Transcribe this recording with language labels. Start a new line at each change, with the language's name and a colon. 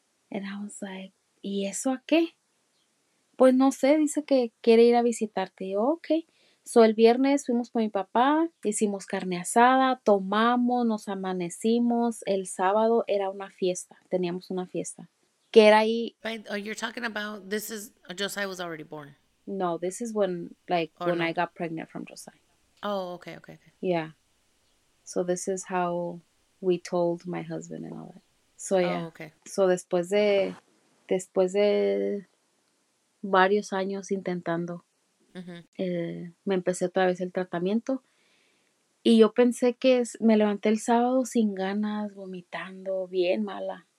English: And I was like,
Spanish: ¿y eso a qué? Pues no sé, dice que quiere ir a visitarte. Y yo, ok. So, el viernes fuimos con mi papá, hicimos carne asada, tomamos, nos amanecimos. El sábado era una fiesta, teníamos una fiesta. Que era ahí.
English: You're talking about, this is, Josiah was already born. No, this is when, like, or when no. I got pregnant from Josiah. Oh, okay, okay. Yeah. So this is how we told my husband and all that. So yeah. Oh, okay.
Spanish: So después de varios años intentando, me empecé otra vez el tratamiento. Y yo pensé que me levanté el sábado sin ganas, vomitando, bien mala.